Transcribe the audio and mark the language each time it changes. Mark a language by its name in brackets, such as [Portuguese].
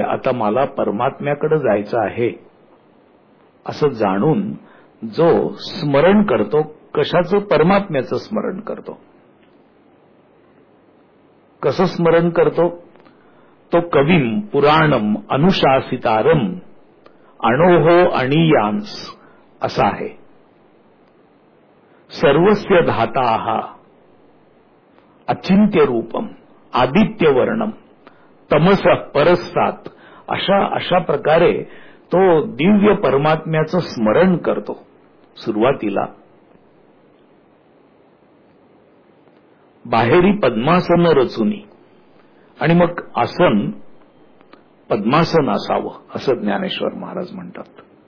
[Marathi] आता मला परमात्म्याकडे जायचं आहे असं जाणून जो स्मरण करतो, कशाचं, परमात्म्याचं स्मरण करतो। [Sanskrit] कसं स्मरण करतो, तो कवीं पुराणम अनुशासितारम अणोहो अणीयांस [Marathi] असा आहे। [Sanskrit] सर्वस्य धाताः अचिंत्य रूपम आदित्य वर्णम तमसः परस्तात [Marathi] अशा प्रकारे तो दिव्य परमात्म्याचं स्मरण करतो सुरुवातीला. बाहेरी पद्मासन रचुनी आणि मग आसन पद्मासन असावं असं ज्ञानेश्वर महाराज म्हणतात.